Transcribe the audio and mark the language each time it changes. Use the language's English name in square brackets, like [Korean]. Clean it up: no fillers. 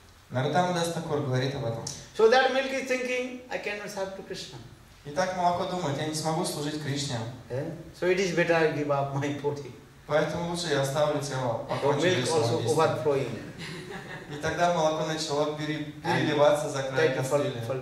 [Russian] Нартама Дас Такур говорит об этом. [English] So that milk is thinking, I cannot serve to Krishna. [Russian] Итак, молоко думает, я не смогу служить Кришне. [English] So it is better I give up my body. [Russian] Поэтому лучше я оставлю тело, покончу без самоубийства. И тогда молоко начало переливаться за край кастрюли.